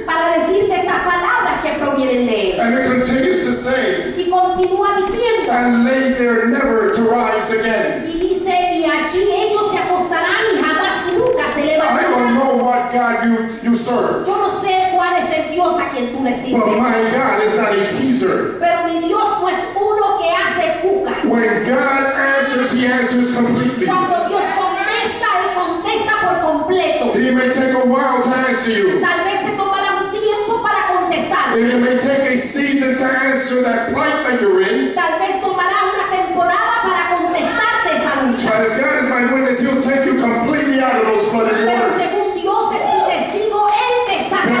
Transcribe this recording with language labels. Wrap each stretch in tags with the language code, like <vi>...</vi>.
<es>Para decirte estas palabras que provienen de él.</es> <en>And it continues to say.</en> <es>Y continúa diciendo.</es> <en>And lay there never to rise again.</en> <es>Y dice, y allí ellos se acostarán y jamás y nunca se levantarán.</es> <en>I don't know what God you serve.</en> <es>Yo no sé cuál es el Dios a quien tú le sirves.</es> <en>But my God is not a teaser.</en> <es>Pero mi Dios no es uno que hace cucas.</es> <en>When God answers, he answers completely.</en> <es>Cuando Dios contesta, él contesta por completo.</es> <en>He may take a while to answer you.</en> <es>Tal vez se tomará un tiempo para contestar.</es> <en>It may take a season to answer that plight that you're in.</en> <es>Tal vez tomará una temporada para contestarte esa lucha.</es> <en>But as God is my witness, he'll take you completely out of those flooded waters.</en> <es>Según Dios es mi testigo, él te sacará.</es>